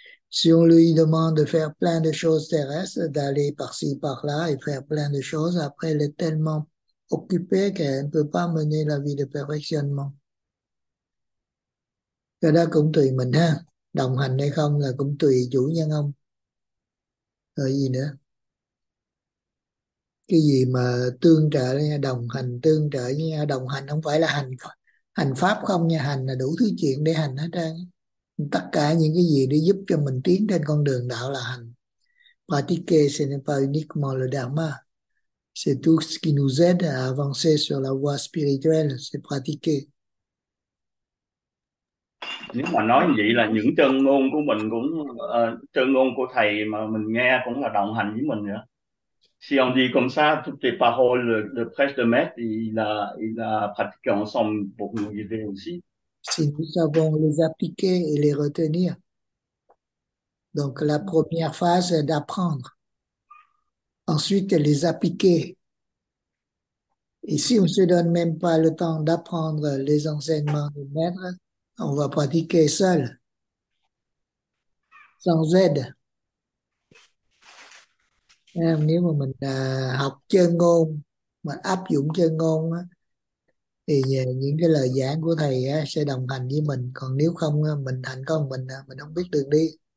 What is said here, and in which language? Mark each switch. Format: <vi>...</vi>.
<fr>Si on lui demande de faire plein de choses terrestres, d'aller par-ci, par-là et faire plein de choses, après, elle est tellement occupée qu'elle ne peut pas mener la vie de perfectionnement.</fr> <vi>Cái đó cũng tùy mình ha. Đồng hành hay không là cũng tùy chủ nhân ông. Rồi gì nữa? Cái gì mà tương trợ, đồng hành tương trợ với nhau. Đồng hành không phải là hành hành pháp không nha. Hành là đủ thứ chuyện để hành hết trơn. Tất cả những cái gì để giúp cho mình tiến trên con đường đạo là hành.</vi> <fr>Pratiquer, ce n'est pas uniquement le dharma. C'est tout ce qui nous aide à avancer sur la voie spirituelle, c'est pratiquer.</fr> <vi>Nếu mà nói vậy là những chân ngôn của mình cũng chân ngôn của thầy mà mình nghe cũng là đồng hành với mình nữa.</vi> <fr>Si on dit comme ça, toutes les paroles de presse de maître, il a pratiqué ensemble pour nous guider aussi. Si nous savons les appliquer et les retenir, Donc la première phase est d'apprendre. Ensuite, les appliquer. Et si on ne se donne même pas le temps d'apprendre les enseignements du maître, on va pratiquer seul, sans aide.</fr> <vi>Nếu mà mình học chân ngôn, mà áp dụng chân ngôn á, thì những cái lời giảng của thầy á, sẽ đồng hành với mình. Còn nếu không á, mình hành công mình không biết đường đi.</vi>